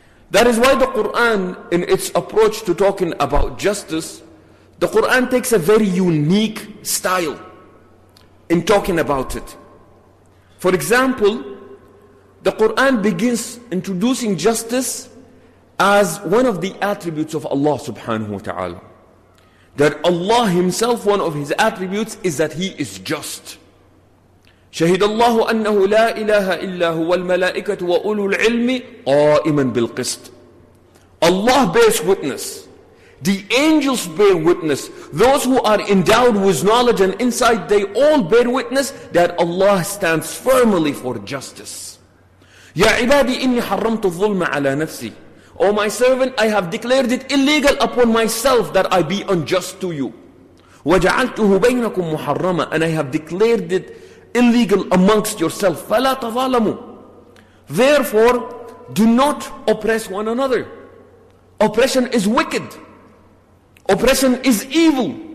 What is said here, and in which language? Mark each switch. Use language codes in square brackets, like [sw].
[en] That is why the Quran, in its approach to talking about justice, the Quran takes a very unique style in talking about it. For example, the Quran begins introducing justice as one of the attributes of Allah subhanahu wa ta'ala. That Allah himself, one of his attributes, is that he is just. [ar] شهد الله أنه لا إله إلا هو الملائكة وأولو العلم قائما بالقسط. [en] Allah bears witness. The angels bear witness. Those who are endowed with knowledge and insight, they all bear witness that Allah stands firmly for justice. [ar] يا عبادي إني حرمت الظلم على نفسي. [en] O my servant, I have declared it illegal upon myself that I be unjust to you. [ar] وجعلته بينكم محرما. [en] And I have declared it illegal amongst yourself. [ar] فَلَا تَظَالَمُوا. [en] Therefore, do not oppress one another. Oppression is wicked. Oppression is evil.